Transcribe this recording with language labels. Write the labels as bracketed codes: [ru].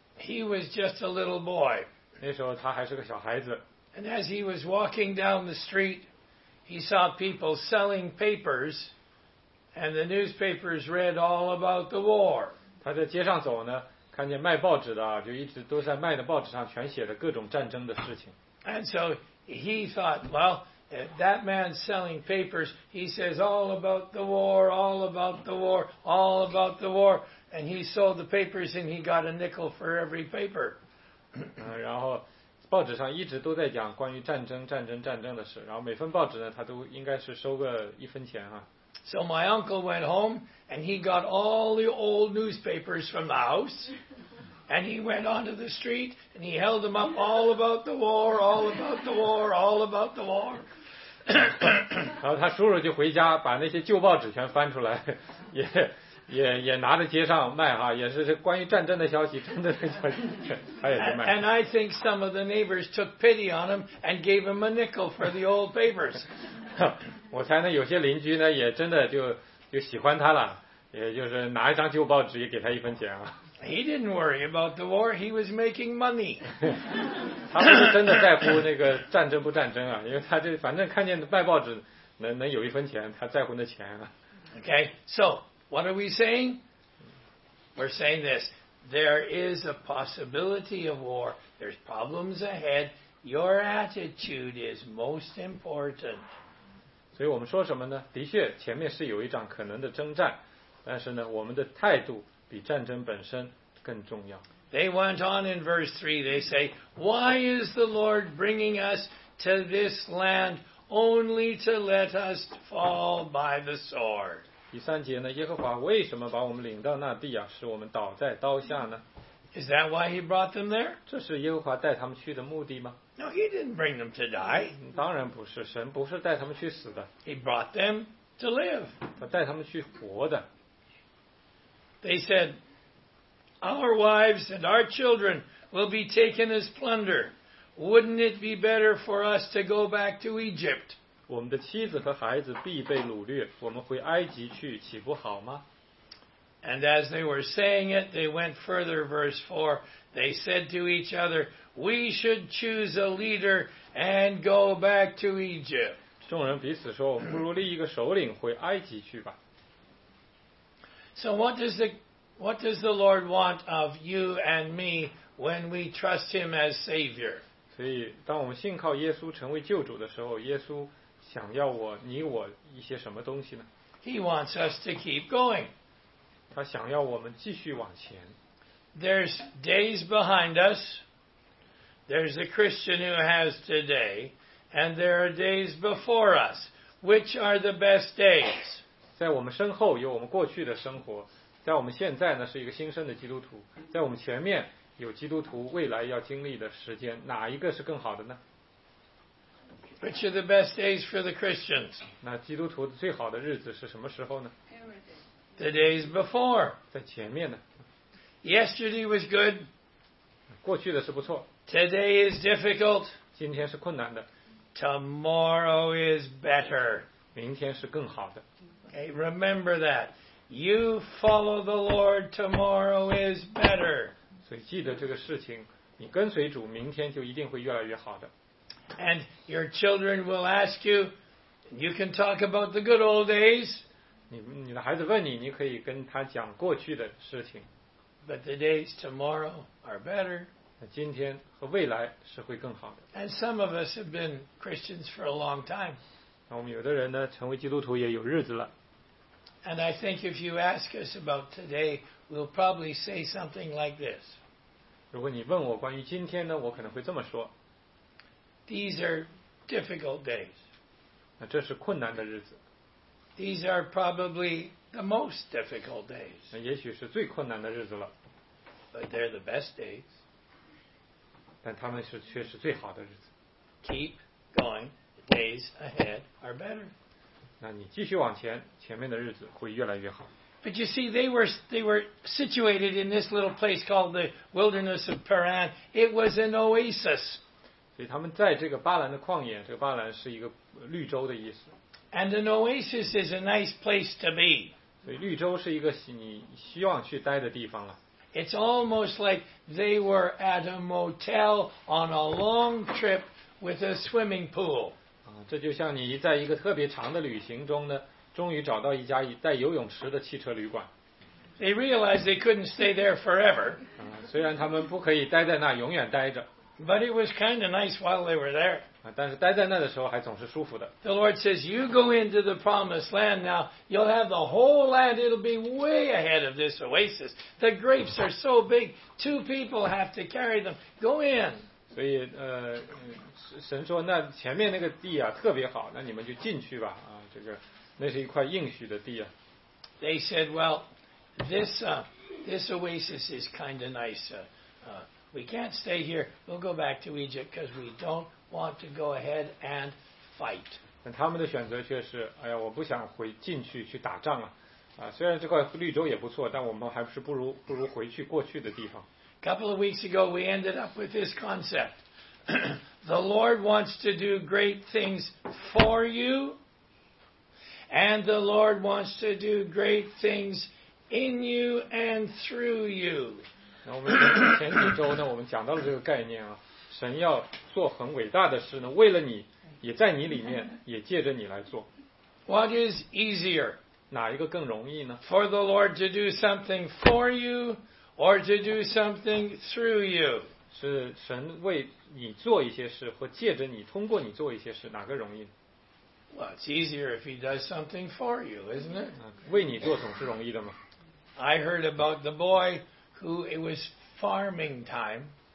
[en] He was just a little boy. [zh] 那时候他还是个小孩子。 [en] And as he was walking down the street, he saw people selling papers, and the newspapers read all about the war. [zh] 他在街上走呢，看见卖报纸的啊，就一直都在卖的报纸上全写着各种战争的事情。 [en] And so he thought, well, that man selling papers, he says all about the war, all about the war, all about the war. And he sold the papers, and he got a nickel for every paper. [zh] 然后报纸上一直都在讲关于战争、战争、战争的事。然后每份报纸呢，他都应该是收个一分钱啊。 [en] So my uncle went home, and he got all the old newspapers from the house, and he went onto the street, and he held them up, all about the war, all about the war, all about the war. [zh] 然后他叔叔就回家，把那些旧报纸全翻出来，也拿着街上卖哈，也是关于战争的消息，战争的消息，他也卖。 [en] And I think some of the neighbors took pity on him and gave him a nickel for the old papers. [zh] 我猜呢，有些邻居呢也真的就喜欢他了，也就是拿一张旧报纸也给他一分钱啊。 [en] He didn't worry about the war. He was making money. [zh] 他不是真的在乎那个战争不战争啊，因为他这反正看见卖报纸能有一分钱，他在乎那钱啊。 [en] Okay, so. What are we saying? We're saying this. There is a possibility of war. There's problems ahead. Your attitude is most important. [zh] 所以我们说什么呢？的确，前面是有一场可能的征战，但是呢，我们的态度比战争本身更重要。 [en] They went on in verse 3. They say, Why is the Lord bringing us to this land only to let us fall by the sword? [zh] 第三节呢，耶和华为什么把我们领到那地啊，使我们倒在刀下呢？ [en] Is that why he brought them there? [zh] 这是耶和华带他们去的目的吗？ [en] No, he didn't bring them to die. [zh] 当然不是，神不是带他们去死的。 [en] He brought them to live. [zh] 他带他们去活的。 [en] They said, Our wives and our children will be taken as plunder. Wouldn't it be better for us to go back to Egypt? [zh] 我们的妻子和孩子必被掳掠，我们回埃及去，岂不好吗？ [en] And as they were saying it, they went further, verse 4. They said to each other, We should choose a leader and go back to Egypt. [zh] 众人彼此说，我们不如立一个首领回埃及去吧。 [en] So what does the Lord want of you and me when we trust him as Savior? [zh] 所以当我们信靠耶稣成为救主的时候，耶稣想要我你我一些什么东西呢 [en] ？He wants us to keep going. [zh] 他想要我们继续往前。 [en] There's days behind us. There's a Christian who has today, and there are days before us. Which are the best days? [zh] 在我们身后有我们过去的生活，在我们现在呢是一个新生的基督徒，在我们前面有基督徒未来要经历的时间，哪一个是更好的呢？ [en] Which are the best days for the Christians? [zh] 那基督徒最好的日子是什么时候呢？ [en] The days before. [zh] 在前面呢。 [en] Yesterday was good. [zh] 过去的是不错。 [en] Today is difficult. [zh] 今天是困难的。 [en] Tomorrow is better. [zh] 明天是更好的。 [en] Okay, remember that. You follow the Lord, tomorrow is better. [zh] 所以记得这个事情，你跟随主，明天就一定会越来越好的。 [en] And your children will ask you, you can talk about the good old days. [zh] 你的孩子问你，你可以跟他讲过去的事情。 [en] But the days tomorrow are better. [zh] 今天和未来是会更好的。 [en] And some of us have been Christians for a long time. [zh] 我们有的人呢，成为基督徒也有日子了。 [en] And I think if you ask us about today, we'll probably say something like this. [zh] 如果你问我关于今天呢，我可能会这么说。 [en] These are difficult days. [zh] 那这是困难的日子。 [en] These are probably the most difficult days. [zh] 那也许是最困难的日子了。 [en] But they're the best days. [zh] 但他们是却是最好的日子。 [en] Keep going. Days ahead are better. [zh] 那你继续往前，前面的日子会越来越好。 [en] But you see, they were situated in this little place called the wilderness of Paran. It was an oasis. [zh] 所以他们在这个巴兰的旷野，这个巴兰是一个绿洲的意思。 [en] And an oasis is a nice place to be. [zh] 所以绿洲是一个你希望去待的地方了。 [en] It's almost like they were at a motel on a long trip with a swimming pool. [zh] 这就像你在一个特别长的旅行中呢，终于找到一家带游泳池的汽车旅馆。 [en] They realized they couldn't stay there forever. [zh] 虽然他们不可以待在那永远待着。 [en] But it was kind of nice while they were there. [zh] 但是待在那的时候还总是舒服的。 [en] The Lord says, you go into the promised land now, you'll have the whole land, it'll be way ahead of this oasis. The grapes are so big, two people have to carry them. Go in. [zh] 所以神说那前面那个地啊特别好，那你们就进去吧。这个那是一块应许的地啊。 [en] They said, well, this oasis is kind of nice. We can't stay here. We'll go back to Egypt because we don't want to go ahead and fight. [zh] 但他们的选择却是，哎呀，我不想回进去去打仗了。虽然这块绿洲也不错，但我们还是不如回去过去的地方。 [en] Couple of weeks ago, we ended up with this concept. The Lord wants to do great things for you, and the Lord wants to do great things in you and through you. [zh] 那我们前几周呢，我们讲到了这个概念啊，神要做很伟大的事呢，为了你，也在你里面，也借着你来做。 [en] What is easier? [zh] 哪一个更容易呢 [en] ？For the Lord to do something for you. Or to do something through you. [zh] 是神为你做一些事，或借着你，通过你做一些事，哪个容易？ [en] Well, it's easier if he does something for you, isn't it? [zh] 为你做总是容易的吗？ [en] I heard about the boy who it was farming time.